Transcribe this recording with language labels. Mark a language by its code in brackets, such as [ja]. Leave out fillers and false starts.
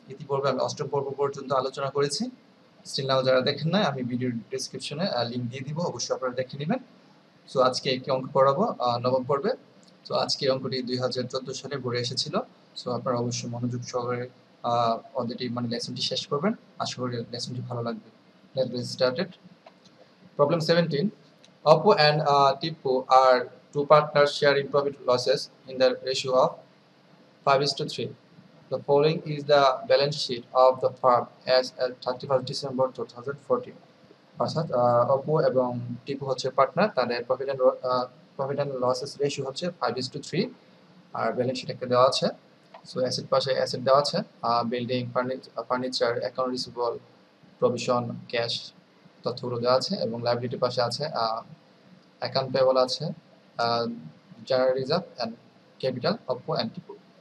[bn] ইতিপূর্বে আমি অষ্টম পর্ব পর্যন্ত আলোচনা করেছি। [en] still now [bn] যারা দেখেন নাই, আমি ভিডিওর ডিসক্রিপশনে লিঙ্ক দিয়ে দিব, অবশ্যই আপনারা দেখে নেবেন। সো আজকে একটি অঙ্ক পড়াবো নবম পর্বে। সো আজকে অঙ্কটি 2014 সালে ঘুরে এসেছিল। সো আপনারা অবশ্যই মনোযোগ সহকারে অলরেডি মানে লেসনটি শেষ করবেন, আশা করি লেসনটি ভালো লাগবে। [en] Let's started. Problem 17। Apu and Tipu are two partners share in profit losses in the ratio of 5:3. The following is the balance sheet of the firm as at 31st December 2014. [bn] অর্থাৎ অপু এবং টিপু হচ্ছে পার্টনার, তাদের [en] profit and losses ratio [bn] হচ্ছে 5:3, আর balance sheet একটা দেওয়া আছে। So asset পাশে asset দেওয়া আছে, building, furniture, account receivable, provision, cash তথ্যগুলো দেওয়া আছে, এবং লাইবিলিটি পাশে আছে অ্যাকাউন্ট পেয়েবল আছে, [en] general reserve and capital [bn] Oppo and Tipu.